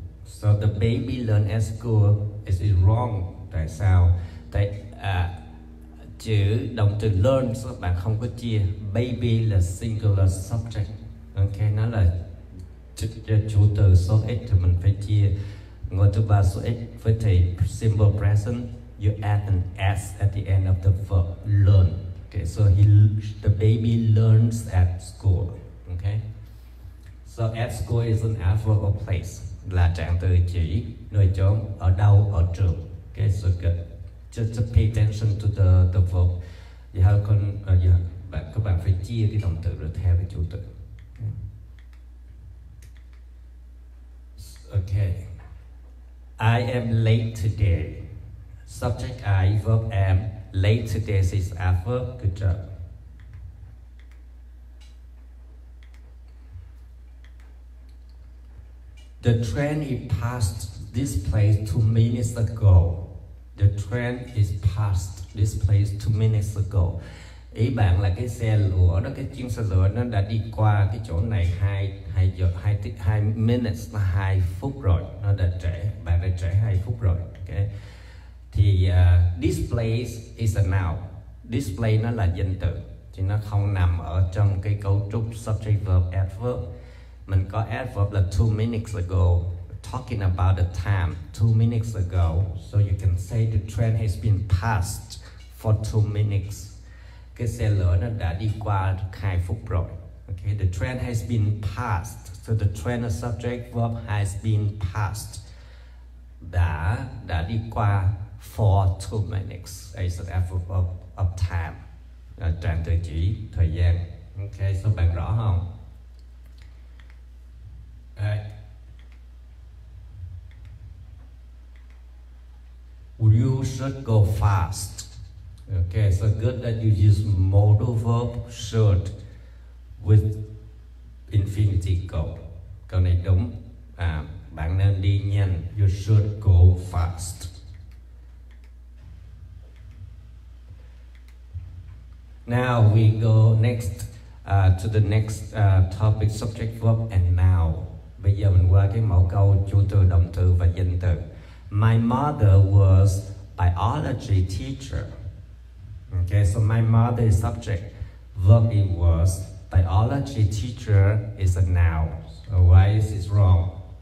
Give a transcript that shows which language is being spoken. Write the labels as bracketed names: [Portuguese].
[English] So the baby learn at school is it wrong? [Vietnamese] Tại sao? Tại chữ động từ learn các bạn không có chia. Baby là singular subject. Okay, nó là chủ từ số x thì mình phải chia ngôi thứ ba số x với thì simple present. [English] You add an s at the end of the verb learn. Okay, so the baby learns at school. Okay. So at school is an adverb of place, [Vietnamese] là trạng từ chỉ nơi chốn, ở đâu, ở trường. [English] Okay, so good. Just pay attention to the verb. [Vietnamese] You have con, bạn các bạn phải chia cái động từ rồi theo cái chủ từ. [English] Okay. I am late today. Subject I, verb am. Late today is adverb. Good job. The train is past this place 2 minutes ago. The train is past this place 2 minutes ago. [Vietnamese] Ý bạn là cái xe lửa đó, cái chuyến xe lửa nó đã đi qua cái chỗ này 2 minutes, 2 phút rồi. Nó đã trễ, bạn đã trễ 2 phút rồi. Okay. Thì [English] this place is a noun. [Vietnamese] This place nó là danh từ. Thì nó không nằm ở trong cái cấu trúc subject verb adverb. [English] Mình có adverb là 2 minutes ago, talking about the time 2 minutes ago. So you can say the train has been passed for 2 minutes. [Vietnamese] Cái xe lửa nó đã đi qua 2 phút rồi. [English] Okay, the train has been passed. So the train subject verb has been passed. [Vietnamese] Đã đi qua for 2 minutes. [English] It's an adverb of time. [Vietnamese] Trạng từ chỉ thời gian. Okay, so bạn rõ không? [English] Right. You should go fast. Okay, so good that you use modal verb should with infinity go. [Vietnamese] Câu này đúng. À, bạn nên đi nhanh. [English] You should go fast. Now we go next to the next topic, subject verb and noun. [Vietnamese] Bây giờ mình qua cái mẫu câu chủ từ, động từ và danh từ. [English] My mother was biology teacher. Okay, so my mother is subject. Verb it was. Biology teacher is a noun. So why is this wrong?